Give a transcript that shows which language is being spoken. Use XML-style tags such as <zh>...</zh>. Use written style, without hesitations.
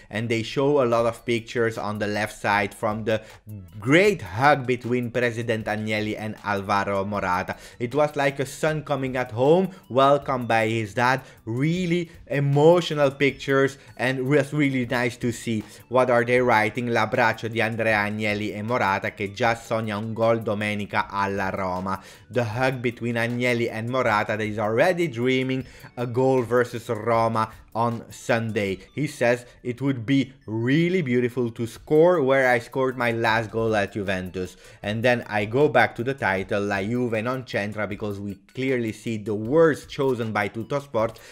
<en>And they show a lot of pictures on the left side from the great hug between President Agnelli and Alvaro Morata. It was like a son coming at home, welcomed by his dad. Really emotional pictures, and was really nice to see. What are they writing?</en> <it>L'abbraccio di Andrea Agnelli e Morata che già sogna un gol domenica alla Roma.</it> <en>The hug between Agnelli and Morata that is already dreaming a goal versus Roma on Sunday. He says it would be really beautiful to score where I scored my last goal at Juventus. And then I go back to the title,</en> <it>La Juve non c'entra,</it> <en>because we clearly see the words chosen by Tutto Sport.</en>